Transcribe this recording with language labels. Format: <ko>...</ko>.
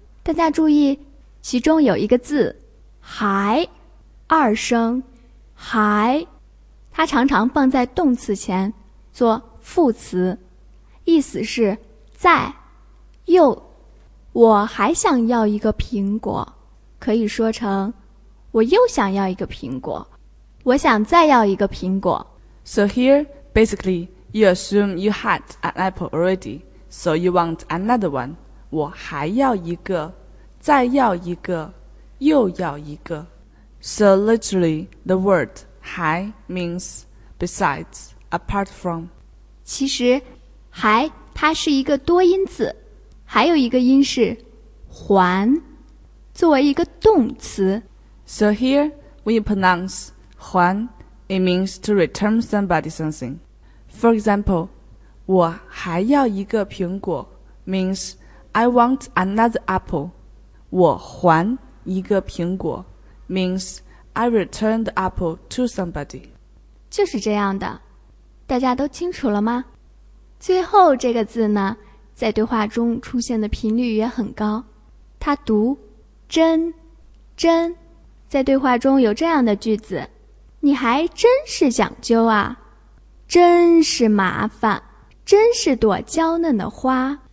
<zh>大家注意，其中有一个字，还，二声，还，它常常放在动词前，做副词，意思是在，又，我还想要一个苹果，可以说成，我又想要一个苹果，我想再要一个苹果。</zh> <en>So here, basically, you assume you had an apple already, so you want another one.</en> <zh>我还要一个，再要一个，又要一个。</zh> <en>So literally, the word 还 means besides, apart from.</en> <zh>其实，还它是一个多音字，还有一个音是还，作为一个动词。</zh> <en>So here, when you pronounce 还，it means to return somebody something. For example,</en> <zh>我还要一个苹果</zh> <en>means I want another apple.</en> <zh>我还一个苹果</zh> <en>means I return the apple to somebody.</en> <zh>就是这样的，大家都清楚了吗？最后这个字呢，在对话中出现的频率也很高，它读真真。在对话中有这样的句子，你还真是讲究啊，真是麻烦，真是朵娇嫩的花。</zh>